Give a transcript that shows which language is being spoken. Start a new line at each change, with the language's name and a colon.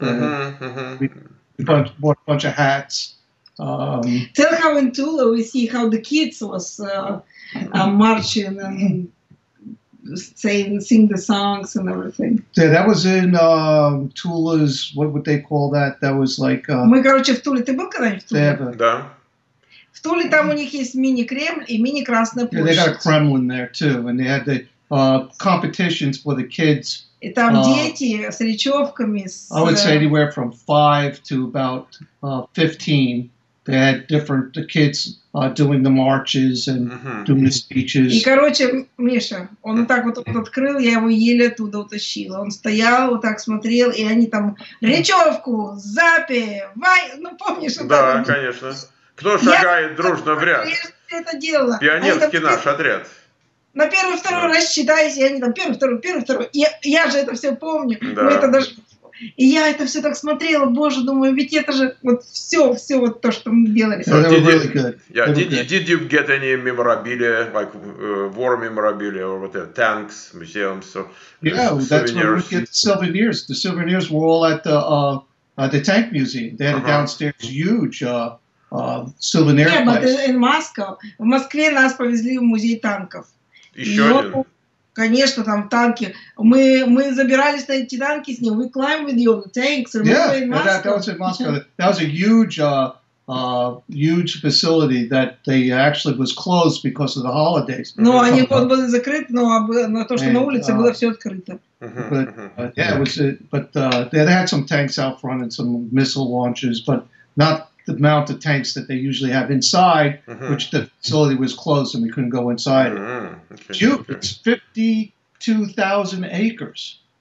English: And bought a bunch of hats. Tell how in Tula we see how the kids was marching and sing the songs and everything. Yeah, that was in Tula's, what would they call that? That was like...
Russian: Мы, короче, в Туле. Ты был когда-нибудь в Туле? Да. В Туле там у них есть мини-Кремль и мини-Красная площадь.
English: Yeah, they got a Kremlin there too, and they had the competitions for the kids.
Russian: И там дети с речевками.
English: I would say anywhere from 5 to about 15. They had the kids doing the marches and doing the speeches.
Russian: И, короче, Миша, он вот так вот открыл, я его еле оттуда утащила. Он стоял, вот так смотрел, и они там речевку, запевай, ну помнишь? Да, конечно. Кто шагает дружно в ряд? Это дело. Пионерский наш отряд. На первый-второй рассчитайся, и они там первый-второй. Я же это все помню. Да. Мы это даже... И я это все так смотрела, боже, думаю, ведь это же вот все вот то, что мы делали.
English: So did you get any memorabilia, like war memorabilia or whatever, tanks, museums, or souvenirs? Yeah, that's where we get souvenirs. The souvenirs were all at the tank museum. They had a downstairs huge souvenir place. Yeah, but in Moscow,
Russian: в Москве нас повезли в музей танков. Еще один. Конечно, там танки. Мы забирались на эти танки с ним.
English: We climbed with you on the tanks. Yeah, that was in Moscow. That was a huge, huge facility that they actually was closed because of the holidays.
Russian: Ну, они вот были закрыты, но на то, что на улице было все открыто.
English: They had some tanks out front and some missile launchers, but not the amount of tanks that they usually have inside, which the facility was closed and we couldn't go inside. It's 52,000 acres.